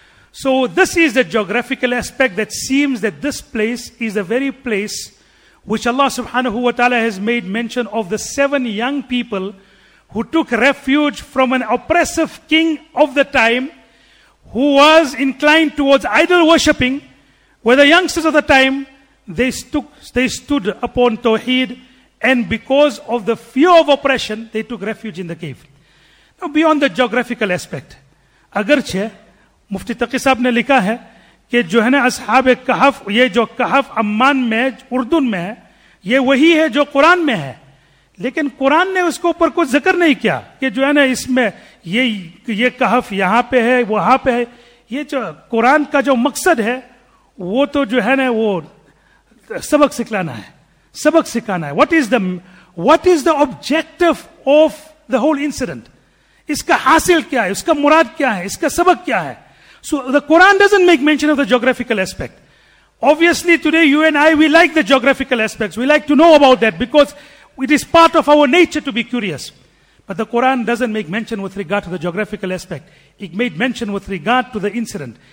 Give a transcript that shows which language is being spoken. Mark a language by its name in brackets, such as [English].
[English] So this is the geographical aspect that seems that this place is the very place which Allah subhanahu wa ta'ala has made mention of the seven young people who took refuge from an oppressive king of the time who was inclined towards idol worshipping, where the youngsters of the time, they stood upon Tawheed, and because of the fear of oppression, they took refuge in the cave. Now beyond the geographical aspect, [Urdu] agarche Mufti Taqi sahab ne likha hai, کہ جو ہے نا اصحاب کہف یہ جو کہف Oman میں اردن میں ہے یہ وہی ہے جو قرآن میں ہے لیکن قرآن نے اس کے اوپر کچھ ذکر نہیں کیا کہ جو ہے نا اس میں یہ کہف یہاں پہ ہے وہاں پہ ہے یہ جو قرآن کا جو مقصد ہے وہ تو جو ہے نا وہ سبق سکھلانا ہے سبق سکھانا ہے [English] what is the objective of the whole incident [Urdu] اس کا حاصل کیا ہے اس کا مراد کیا ہے اس کا سبق کیا ہے. [English] So the Quran doesn't make mention of the geographical aspect. Obviously today you and I, we like the geographical aspects. We like to know about that because it is part of our nature to be curious. But the Quran doesn't make mention with regard to the geographical aspect. It made mention with regard to the incident.